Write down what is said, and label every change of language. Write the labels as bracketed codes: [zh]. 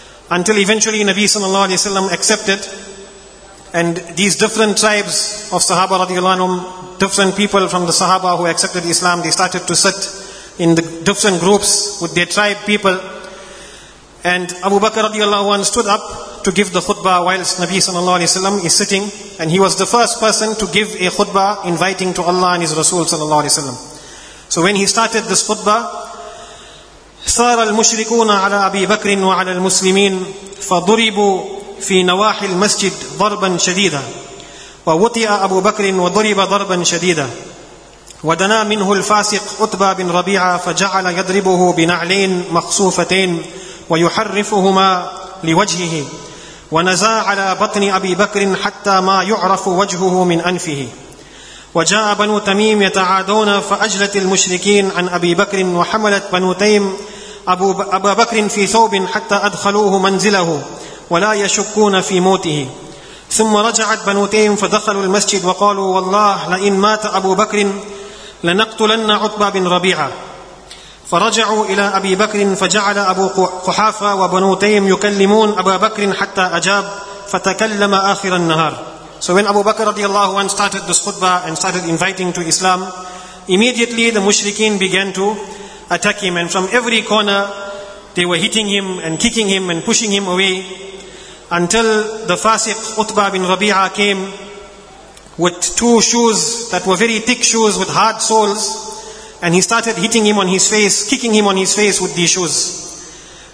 [en] Until eventually Nabi sallallahu alayhi wa sallam accepted, and these different tribes of Sahaba radiallahu anhum, different people from the Sahaba who accepted Islam, they started to sit in the different groups with their tribe people, and Abu Bakr radiallahu anhu stood up to give the khutbah whilst Nabi sallallahu alayhi wa sallam is sitting, and he was the first person to give a khutbah inviting to Allah and His Rasul sallallahu alayhi wa sallam. So when he started this khutbah, [ar] صار المشركون على أبي بكر وعلى المسلمين فضربوا في نواحي المسجد ضربا شديدا ووطئ أبو بكر وضرب ضربا شديدا ودنا منه الفاسق عتبة بن ربيعة فجعل يضربه بنعلين مخصوفتين ويحرفهما لوجهه ونزا على بطن أبي بكر حتى ما يعرف وجهه من أنفه وجاء بنو تميم يتعادون فأجلت المشركين عن أبي بكر وحملت بنو تيم أبا بكر في ثوب حتى أدخلوه منزله ولا يشكون في موته ثم رجعت بنو تيم فدخلوا المسجد وقالوا والله لئن مات أبو بكر لنقتلن عتبة بن ربيعة فرجعوا إلى أبي بكر فجعل أبو قحافة وبنو تيم يكلمون أبا بكر حتى أجاب فتكلم آخر النهار. [en] So when Abu Bakr radiallahu anhu started this khutbah and started inviting to Islam, immediately the mushrikeen began to attack him, and from every corner they were hitting him and kicking him and pushing him away, until the fasiq Utbah bin Rabi'ah came with two shoes that were very thick shoes with hard soles, and he started hitting him on his face, kicking him on his face with these shoes.